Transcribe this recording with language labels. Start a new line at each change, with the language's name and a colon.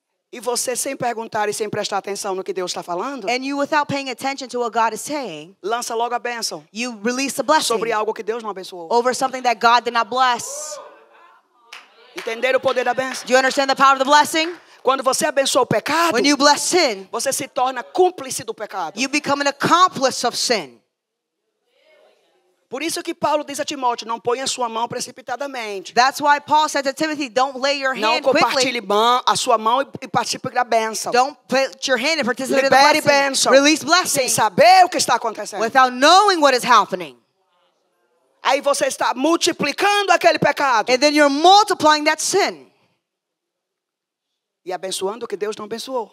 Portuguese: E você sem perguntar e sem prestar atenção no que Deus está falando?
English: And you without paying attention to what God is saying.
Portuguese: Lança logo a bênção.
English: You release a blessing.
Portuguese: Sobre algo que Deus não abençoou.
English: Over something that God did not bless.
Portuguese: Entender o poder da bênção?
English: Do you understand the power of the blessing?
Portuguese: Quando você abençoa o pecado,
English: when you bless sin,
Portuguese: você se torna cúmplice do pecado.
English: You become an accomplice of sin.
Portuguese: Por isso que Paulo diz a Timóteo, não ponha a sua mão precipitadamente.
English: That's why Paul said to Timothy, don't lay your hand quickly.
Portuguese: Não compartilhe a sua mão e participe da bênção.
English: Don't put your hand and participate in the blessing.
Portuguese: Libere bênção.
English: Release blessing.
Portuguese: Sem saber o que está acontecendo.
English: Without knowing what is happening.
Portuguese: Aí você está multiplicando aquele pecado.
English: And then you're multiplying that sin.
Portuguese: E abençoando o que Deus não abençoou.